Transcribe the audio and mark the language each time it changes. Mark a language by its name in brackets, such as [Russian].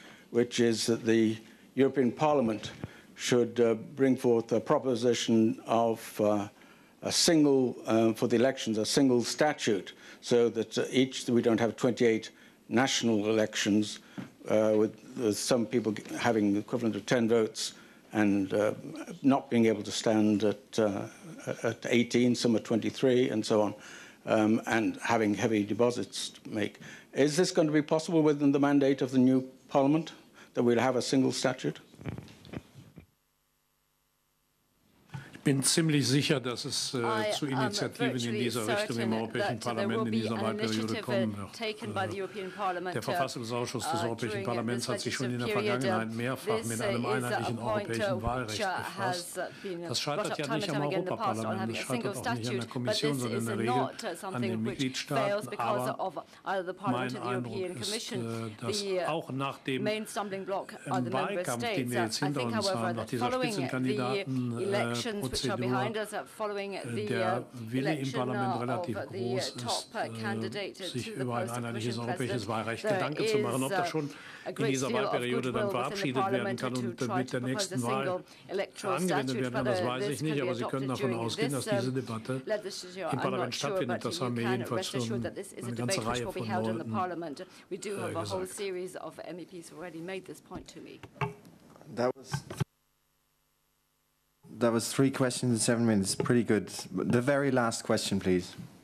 [English] which is that the European Parliament should bring forth a proposition of a single, for the elections, a single statute, so that each, we don't have 28 national elections with some people having the equivalent of 10 votes, and not being able to stand at 18, some at 23, and so on, and having heavy deposits to make. Is this going to be possible within the mandate of the new parliament, that we'll have a single statute? [German] bin ziemlich sicher, dass es zu Initiativen in dieser Richtung im Europäischen Parlament in dieser Wahlperiode kommen wird. Der Verfassungsausschuss des Europäischen Parlaments hat sich schon in der Vergangenheit mehrfach mit einem einheitlichen europäischen Wahlrecht befasst. Das scheitert ja nicht am Europaparlament, das scheitert auch nicht an der Kommission, sondern in der Regel an den Mitgliedstaaten. Aber mein Eindruck ist, dass auch nach dem Wahlkampf, den wir jetzt hinter uns haben, nach dieser Spitzenkandidatenprozedur, der Wille im Parlament relativ groß ist, sich über ein einheitliches europäisches Wahlrecht Gedanken zu machen, ob das schon in dieser Wahlperiode dann verabschiedet werden kann und mit der nächsten Wahl angewendet werden kann. Das weiß ich nicht, aber Sie können davon ausgehen, dass diese Debatte im Parlament stattfindet. Das haben wir jedenfalls schon eine ganze Reihe von Leuten gesagt. [English] That was three questions in 7 minutes. Pretty good. The very last question, please.